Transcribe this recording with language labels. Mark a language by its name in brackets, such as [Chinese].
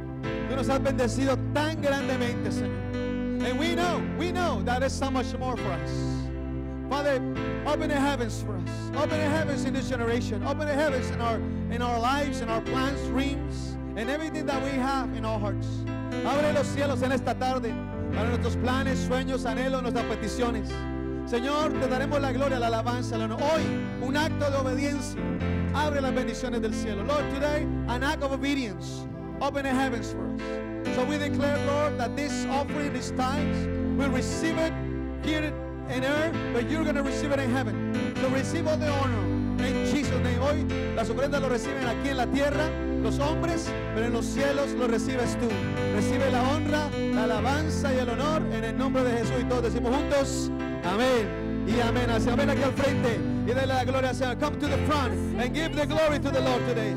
[Spanish] Tú nos has bendecido tan grandemente, Señor. [English] And we know that is so much more for us. Father, open the heavens for us. Open the heavens in this generation. Open the heavens in our lives, in our plans, dreams, and everything that we have in our hearts. [Spanish] Abre los cielos en esta tarde para nuestros planes, sueños, anhelos, nuestras peticiones. Señor, te daremos la gloria, la alabanza, la honor. Hoy, un acto de obediencia. Abre las bendiciones del cielo. [English] Lord, today, an act of obedience. Open the heavens for us. So we declare, Lord, that this offering, this tithe, we'll receive it, hear it in earth, but you're going to receive it in heaven. So receive all the honor in Jesus' name. [Spanish] Hoy, las ofrendas lo reciben aquí en la tierra, los hombres, pero en los cielos lo recibes tú. Recibe la honra, la alabanza y el honor en el nombre de Jesús. Y todos decimos juntos, amén y amén. Así, amén aquí al frente. Y de la gloria al Señor. [English] Come to the front and give the glory to the Lord today.